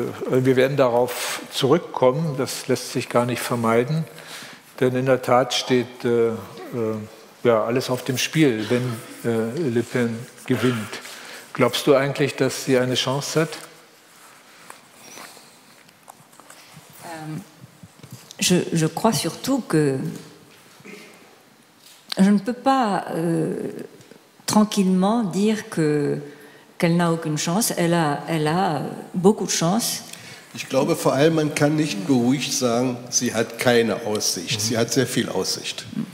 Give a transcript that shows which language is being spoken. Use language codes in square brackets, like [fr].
[de] Wir werden darauf zurückkommen, das lässt sich gar nicht vermeiden, denn in der Tat steht alles auf dem Spiel, wenn Le Pen gewinnt. Glaubst du eigentlich, dass sie eine Chance hat? [fr] Je crois surtout que je ne peux pas tranquillement dire que qu'elle n'a aucune chance, elle a beaucoup de chance. [de] Ich glaube vor allem, man kann nicht beruhigt sagen, sie hat keine Aussicht. Sie hat sehr viel Aussicht.